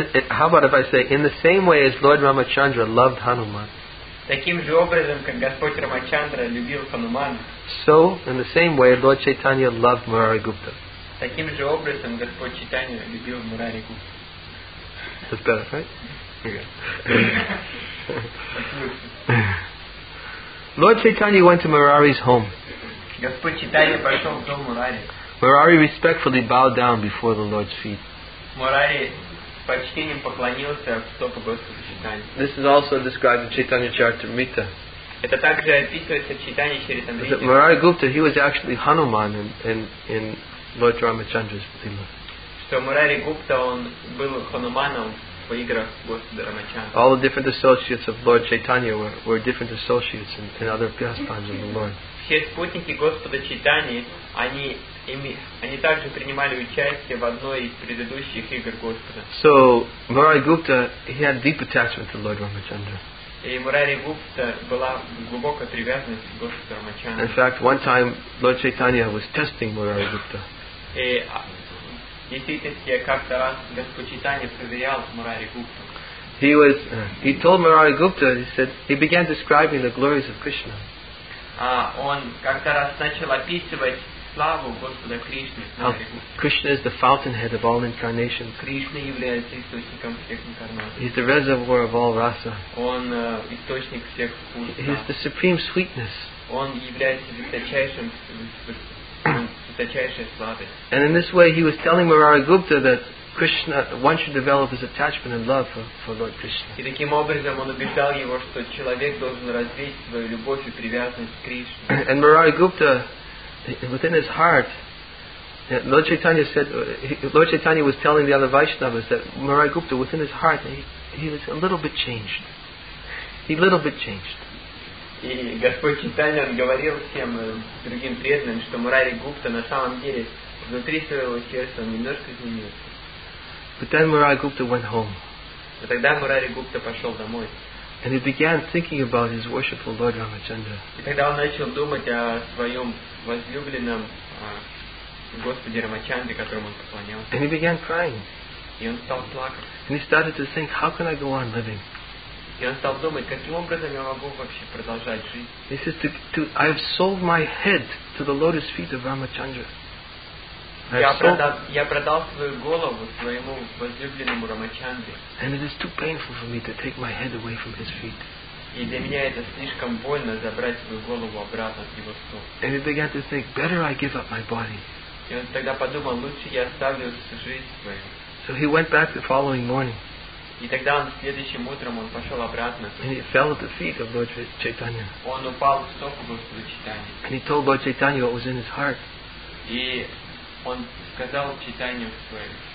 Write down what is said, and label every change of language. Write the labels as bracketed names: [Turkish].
[English] How about if I say, in the same way as Lord Ramachandra loved Hanuman? [Russian] Таким же образом, как Господь Рамачандра любил Хануман. [English] So, in the same way, Lord Chaitanya loved Murari Gupta. [Russian] Таким же образом, Господь Читания любил Мурари Гупта. [English] That's better, right? Lord Chaitanya went to Murari's home. [Russian] Господь Читания пошел в дом Мурари. [English] Мурари respectfully bowed down before the Lord's feet. [Russian] Мурари с почтением поклонился в стопы Господа Читания. [English] This is also described in Chaitanya Charitamrita. [Russian] Это также описывается в Читании Чаритамрите. [English] Мурари Гупта, he was actually Hanuman in Lord Ramachandra's lila. [Russian] Что Мурари Гупта, он был Хануманом в играх Господа Рамачандры. [English] All the different associates of Lord Chaitanya were different associates in other pastimes of the Lord. [Russian] Все спутники Господа Читания, они также принимали участие в одной из предыдущих игр Господа. [English] So, Murari Gupta, he had deep attachment to Lord Ramachandra. [Russian] И Murari Gupta была глубокая привязанность к Господу Рамачандре. [English] In fact, one time, Lord Chaitanya was testing Murari Gupta. [Russian] И действительно, как-то раз Господь Читания проверял Murari Gupta. [English] He told Murari Gupta, he said, he began describing the glories of Krishna. [Russian] Он как-то раз начал описывать славу Господа Кришны. [English] Krishna is the fountainhead of all incarnations. [Russian] Кришна является источником всех инкарнаций. [English] He's the reservoir of all rasa. [Russian] Он источник всех вкусов. [English] He's the supreme sweetness. [Russian] Он является высочайшей сладостью. [English] And in this way, he was telling Murari Gupta that Krishna, one should develop his attachment and love for Lord Krishna. [Russian] И таким образом он убеждал его, что человек должен развить свою любовь и привязанность к Кришне. [English] And Murari Gupta, within his heart, Lord Chaitanya said, Lord Chaitanya was telling the other Vaishnavas that Murari Gupta, within his heart, he was a little bit changed. He a little bit changed. [Russian] И Господь Чайтанья говорил всем другим преданным, что Мурари Гупта на самом деле внутри своего сердца немножко изменился. [English] But then Murari Gupta went home. [Russian] И тогда Мурари Гупта пошел домой. [English] And he began thinking about his worshipful Lord Ramachandra. [Russian] И тогда он начал думать о своем возлюбленном Господе Рамачандре, которому он поклонялся. [English] And he began crying. [Russian] И он стал плакать. [English] And he started to think, how can I go on living? [Russian] И он стал думать, каким образом я могу вообще продолжать жить? [English] He says, I have sold my head to the lotus feet of Ramachandra. [Russian] Я продал свою голову своему возлюбленному Рамачандре. [English] And it is too painful for me to take my head away from his feet. [Russian] И для меня это слишком больно забрать свою голову обратно от его стоп. [English] And he began to think, better I give up my body. [Russian] И он тогда подумал, лучше я оставлю жизнь свою. [English] So he went back the following morning. [Russian] И тогда он следующим утром он пошел обратно. [English] And he fell at the feet of Lord Chaitanya. [Russian] Он упал в стопы Господа Чайтаньи. [English] And he told Lord Chaitanya what was in his heart. [Russian] И он сказал Читанию свое.